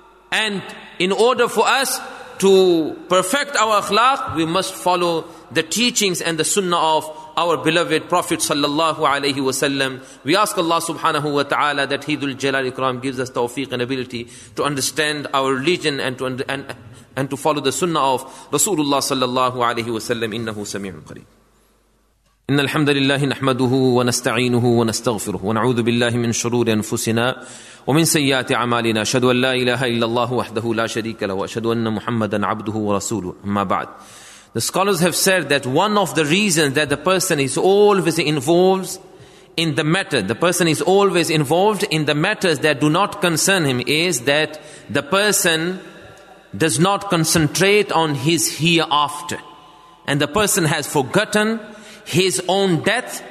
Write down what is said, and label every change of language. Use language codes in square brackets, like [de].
[en] And in order for us to perfect our akhlaq, we must follow the teachings and the sunnah of our beloved Prophet sallallahu alayhi wa sallam. We ask Allah subhanahu wa ta'ala that He dhul jalali ikram gives us tawfiq and ability to understand our religion and to follow the sunnah of Rasulullah sallallahu alayhi wa sallam. [ar] Innahu sami'un qareeb. إن الحمد لله نحمده ونستعينه ونستغفره ونعوذ بالله من شرور أنفسنا ومن سيئات أعمالنا. أشهد أن لا إله إلا الله وحده لا شريك له وأشهد أن محمدا عبده ورسوله. [en] أما بعد, the scholars have said that one of the reasons that the person is always involved in the matter, the person is always involved in the matters that do not concern him, is that the person does not concentrate on his hereafter, and the person has forgotten his own death.